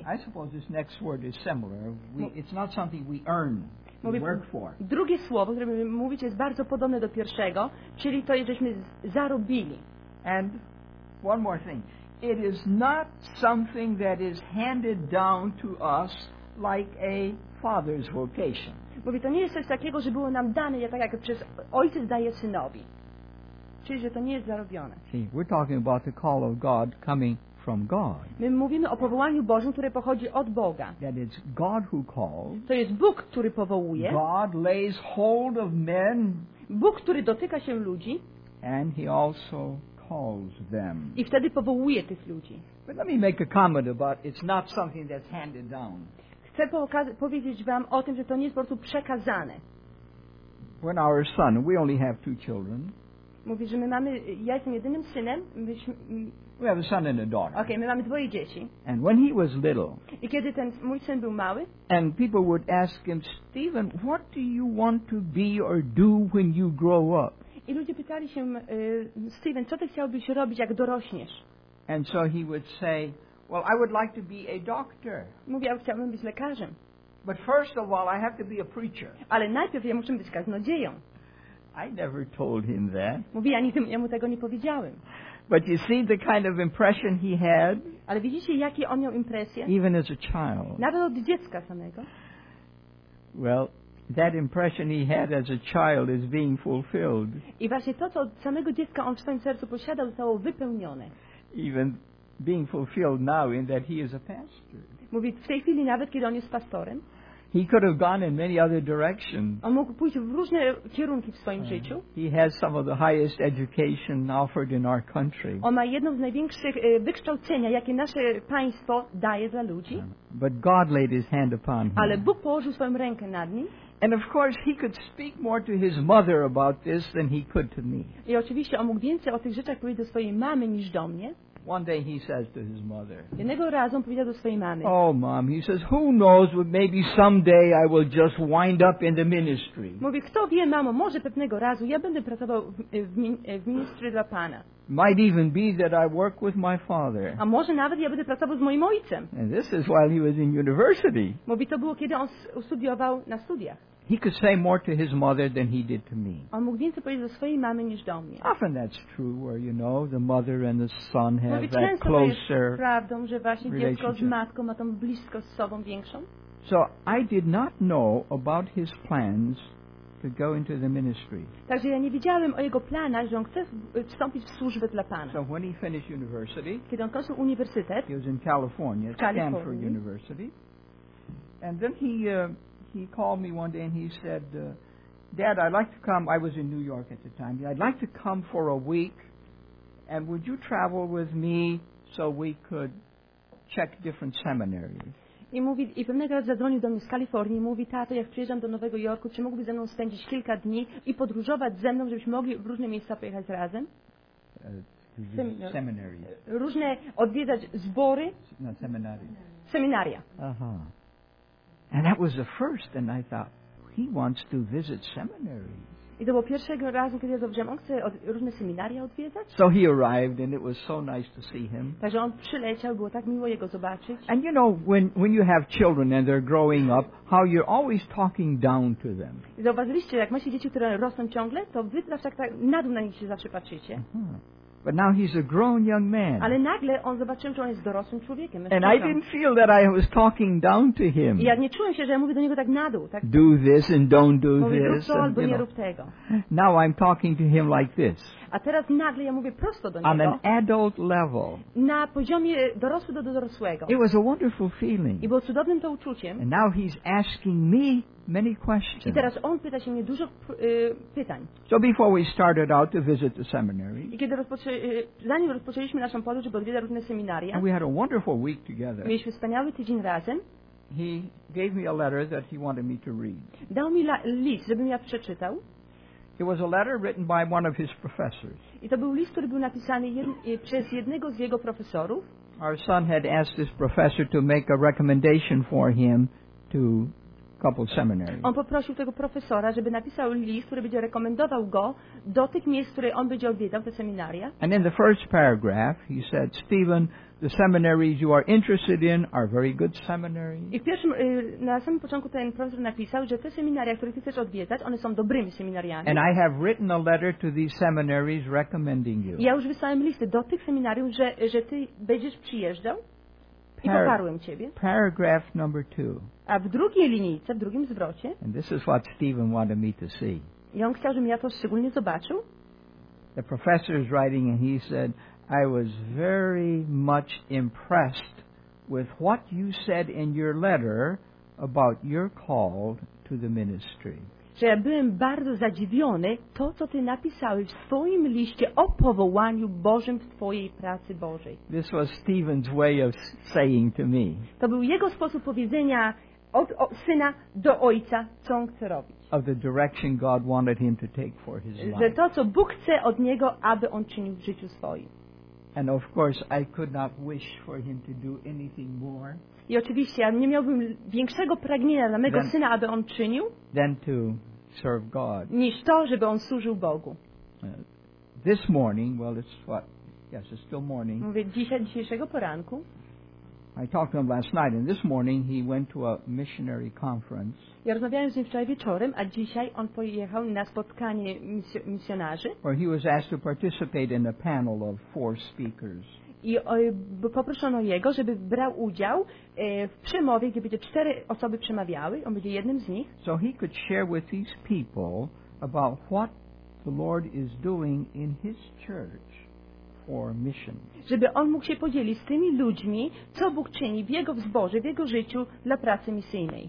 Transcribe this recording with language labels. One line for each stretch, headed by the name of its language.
English: I suppose this next word is similar. It's not something we earn.
Polish: Mówi, drugie słowo, które mówicie, jest bardzo podobne do pierwszego, czyli to, żeśmy zarobili.
English: And one more thing. It is not something that is handed down to us like a father's vocation.
Polish: Mówi, to nie jest coś takiego, że było nam dane, tak jak przez ojciec daje synowi. Czyli, że to nie jest zarobione.
English: See, we're talking about the call of God coming from God.
Polish: My mówimy o powołaniu Bożym, które pochodzi od Boga.
English: That is God who calls.
Polish: To jest Bóg, który powołuje.
English: God lays hold of men.
Polish: Bóg, który dotyka się ludzi.
English: And he also calls them.
Polish: I wtedy powołuje tych ludzi.
English: But let me make a comment about it's not something that's handed down.
Polish: Chcę powiedzieć wam o tym, że to nie jest po prostu przekazane.
English: When our son, we only have two children.
Polish: Mówi, że my mamy, ja jestem jedynym synem.
English: We have a son and a daughter.
Polish: Okay, my mamy dwoje dzieci.
English: And when he was little,
Polish: i kiedy ten mój syn był mały,
English: and people would ask him, Stephen, what do you want to be or do when you grow up?
Polish: I ludzie pytali się, Stephen, co ty chciałbyś robić, jak dorośniesz?
English: And so he would say, well, I would like to be a doctor.
Polish: Mówi, ja chciałbym być lekarzem.
English: But first of all, I have to be a preacher.
Polish: Ale najpierw ja muszę być kaznodzieją.
English: I never told him that.
Polish: Mówi, ja nigdy mu tego nie powiedziałem.
English: But you see the kind of impression he had.
Polish: Ale widzicie, jakie on miał impresję?
English: Even as a child.
Polish: Nawet od dziecka samego.
English: Well, that impression he had as a child is being fulfilled.
Polish: I właśnie to, co od samego dziecka on w swoim sercu posiadał, zostało wypełnione.
English: Even being fulfilled now in that he is a pastor.
Polish: Mówi, w tej chwili nawet, kiedy on jest pastorem.
English: He could have gone in many other directions.
Polish: On mógł pójść w różne kierunki w swoim życiu.
English: He has some of the highest education offered in our country.
Polish: On ma jedno z największych wykształcenia, jakie nasze państwo daje dla ludzi.
English: But God laid his hand upon him.
Polish: Ale Bóg położył swoją rękę nad nim.
English: And of course he could speak more to his mother about this than he could to me.
Polish: I oczywiście on mógł więcej o tych rzeczach powiedzieć do swojej mamy niż do mnie.
English: One day he says to his mother.
Polish: Jednego razu on powiedział do swojej mamy.
English: Oh, mom, he says, who knows? Maybe someday I will just wind up in the ministry.
Polish: Mówi, kto wie, mamo, może pewnego razu ja będę pracował w ministry dla Pana.
English: Might even be that I work with my father.
Polish: A może nawet ja będę pracował z moim ojcem.
English: And this is while he was in university.
Polish: Mówi, to było kiedy on studiował na studiach.
English: He could say more to his mother than he did to me.
Polish: On mógł więcej powiedzieć do swojej mamy niż do mnie.
English: Often that's true, where you know the mother and the son have that closer relationship.
Polish: Mówi, często to jest prawdą, że właśnie dziecko z matką ma tą bliskość z sobą większą.
English: So I did not know about his plans to go into the ministry.
Polish: Także ja nie wiedziałem o jego planach, że on chce wstąpić w służbę dla Pana.
English: So when he finished university,
Polish: kiedy on kończył uniwersytet,
English: he was in California, Stanford University, and then he called me one day and he said, Dad, I'd like to come. I was in New York at the time. I'd like to come for a week. And would you travel with me so we could check different seminaries?
Polish: I mówi, i pewnego razu zadzwonił do mnie z Kalifornii i mówi, tato, jak przyjeżdżam do Nowego Jorku, czy mógłby ze mną spędzić kilka dni i podróżować ze mną, żebyśmy mogli w różne miejsca pojechać razem?
English: Seminaries.
Polish: Różne odwiedzać zbory. No, seminaria. Seminaria. Aha.
English: And that was the first, and I thought, he wants to visit seminaries.
Polish: I to było pierwszego razu, kiedy ja zobaczyłem, on chce różne seminaria odwiedzać.
English: So he arrived, and it was so nice to see him.
Polish: Także on przyleciał, było tak miło jego zobaczyć.
English: And you know, when you have children and they're growing up, how you're always talking down to them.
Polish: I zauważyliście, jak macie dzieci, które rosną ciągle, to wy zawsze tak na dół na nich się zawsze patrzycie. Uh-huh.
English: But now he's a grown young man.
Polish: Ale nagle on zobaczył, że on jest dorosłym człowiekiem.
English: And I didn't feel that I was talking down to him.
Polish: I ja nie czułem się, że ja mówię do niego tak na dół. Tak?
English: Do this and don't do this.
Polish: Mówię, rób to albo nie rób tego.
English: Now I'm talking to him like this.
Polish: A teraz nagle ja mówię prosto do niego.
English: On an adult level.
Polish: Na poziomie dorosłego do dorosłego.
English: It was a wonderful feeling.
Polish: I było cudownym to uczuciem.
English: And now he's asking me many questions.
Polish: I teraz on pyta się mnie dużo pytań.
English: So before we started out to visit the seminary,
Polish: i kiedy zanim rozpoczęliśmy naszą podróż, żeby odwiedzać różne seminaria,
English: and we had a wonderful week together,
Polish: mieliśmy wspaniały tydzień razem,
English: he gave me a letter that he wanted me to read.
Polish: Dał mi list, żebym ja przeczytał.
English: It was a letter written by one of his professors.
Polish: I to był list, który był napisany przez jednego z jego profesorów.
English: Our son had asked this professor to make a recommendation for him to couple seminaries.
Polish: On poprosił tego profesora, żeby napisał list, który będzie rekomendował go do tych miejsc, które on będzie odwiedzał, te seminaria.
English: And in the first paragraph, he said, Stephen, the seminaries you are interested in are very good seminaries.
Polish: I w pierwszym, na samym początku ten profesor napisał, że te seminaria, które ty chcesz odwiedzać, one są dobrymi seminariami.
English: And I have written a letter to these seminaries recommending you.
Polish: Ja już wysłałem listy do tych seminariów, że ty będziesz przyjeżdżał. I poparłem ciebie.
English: Paragraph number two.
Polish: A w drugiej linijce, w drugim zwrocie.
English: And this is what Stephen wanted me to see.
Polish: I on chciał, żebym ja to szczególnie zobaczył.
English: The professor is writing and he said, I was very much impressed with what you said in your letter about your call to the ministry.
Polish: Że ja byłem bardzo zadziwiony to, co ty napisałeś w swoim liście o powołaniu Bożym w twojej pracy Bożej.
English: This was Stephen's way of saying to me.
Polish: To był jego sposób powiedzenia od syna do ojca, co on chce robić.
English: Of the direction God wanted him to take for his life.
Polish: Że to, co Bóg chce od niego, aby on czynił w życiu swoim.
English: And of course, I could not wish for him to do anything more.
Polish: I oczywiście, ja nie miałbym większego pragnienia dla mego syna, aby on czynił,
English: than to serve God.
Polish: Niż to, żeby on służył Bogu.
English: This morning, well, it's what? Yes, it's still morning.
Polish: Mówię dzisiejszego poranku.
English: I talked to him last night, and this morning he went to a missionary conference.
Polish: Ja rozmawiałem z nim wczoraj wieczorem, a dzisiaj on pojechał na spotkanie misjonarzy.
English: Where he was asked to participate in a panel of four speakers.
Polish: I poproszono jego, żeby brał udział w przemowie, gdzie będzie cztery osoby przemawiały, on będzie jednym z nich.
English: So he could share with these people about what the Lord is doing in his church for mission.
Polish: Żeby on mógł się podzielić z tymi ludźmi, co Bóg czyni w jego zborze, w jego życiu dla pracy misyjnej.